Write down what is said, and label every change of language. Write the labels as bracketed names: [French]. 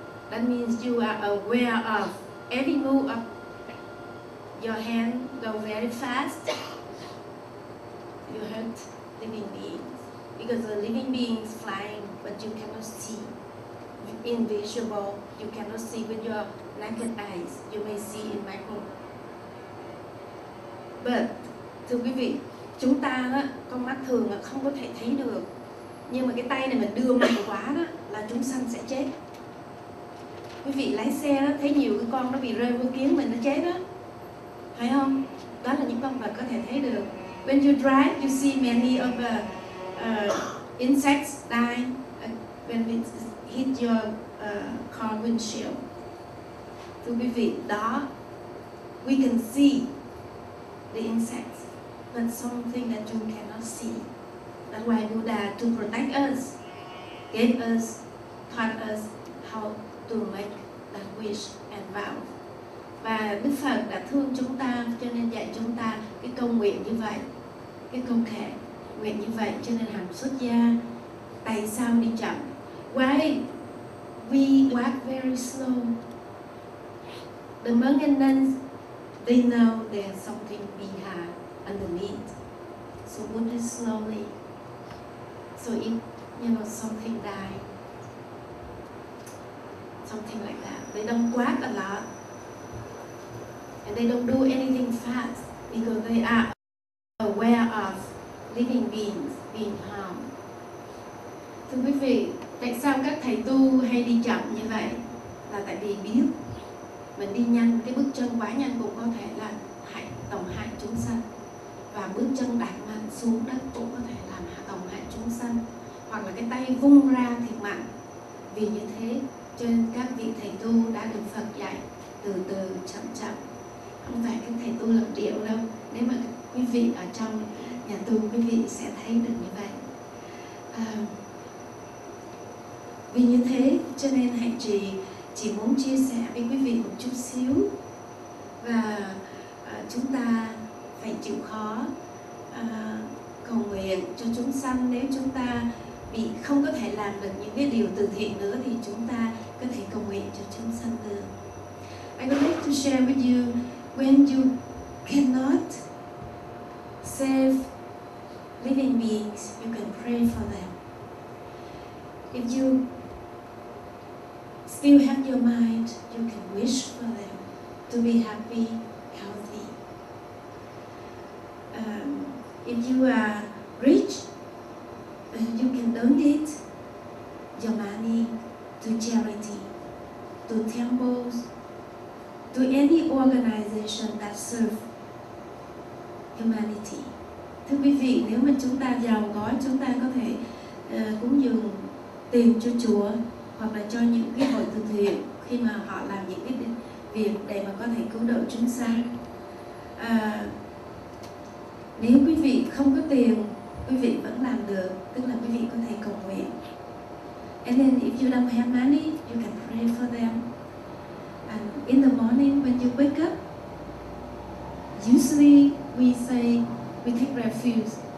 [English] That means you are aware of every move of your hand go very fast. You hurt living beings because the living beings flying, but you cannot see. Invisible, you cannot see with your naked eyes. You may see in micro. [Vietnamese] But thưa quý vị, chúng ta đó, con mắt thường là không có thể thấy được. Nhưng mà cái tay này mà đưa mạnh quá đó là chúng sanh sẽ chết. Quý vị lái xe đó, thấy nhiều cái con nó bị rơi vô kiến mình nó chết đó, phải không? Đó là những con vật có thể thấy được. [English] When you drive, you see many of the insects die when it hit your car windshield. [Vietnamese] Thưa quý vị, đó, [English] we can see the insects, but something that you cannot see. That's why Buddha, to protect us, gave us, taught us how to make that wish and vow. [Vietnamese] Và Đức Phật đã thương chúng ta, cho nên dạy chúng ta cái câu nguyện như vậy, cái câu khẽ nguyện như vậy. Cho nên hàng xuất gia tại sao đi chậm? [English] Why we walk very slow? The monk and nuns, they know there's something behind, underneath. So move it slowly. So if, you know, something die, something like that. They don't walk a lot. And they don't do anything fast because they are aware of living beings being harmed. [Vietnamese] Thưa quý vị, tại sao các thầy tu hay đi chậm như vậy? Là tại vì biết mình đi nhanh, cái bước chân quá nhanh cũng có thể là hại tổng hại chúng sanh. Và bước chân đạp mạnh xuống đất cũng có thể làm hại tổng hại chúng sanh. Hoặc là cái tay vung ra thiệt mạnh. Vì như thế, cho nên các vị thầy tu đã được Phật dạy từ từ chậm chậm. Không phải các thầy tu làm điệu đâu. Nếu mà quý vị ở trong nhà tu, quý vị sẽ thấy được như vậy. Vì như thế, cho nên Hạnh chỉ muốn chia sẻ với quý vị một chút xíu. Và chúng ta phải chịu khó cầu nguyện cho chúng sanh. Nếu chúng ta bị không có thể làm được những cái điều từ thiện nữa, thì chúng ta có thể cầu nguyện cho chúng sanh được. [English] I would like to share with you, when you cannot save living beings, you can pray for them. If you still have your mind, you can wish for them to be happy, healthy. If you are rich, you can donate your money to charity, to temples, to any organization that serve humanity. [Vietnamese] Thưa quý vị, nếu mà chúng ta giàu có, chúng ta có thể cúng dường tiền cho chùa hoặc là cho những cái hội từ thiện khi mà họ làm những cái việc để mà có thể cứu độ chúng sanh. Nếu quý vị không có tiền, quý vị vẫn làm được, tức là quý vị có thể cầu nguyện. [English] And then if you don't have money, you can pray for them. And in the morning when you wake up, usually we say we take refuge.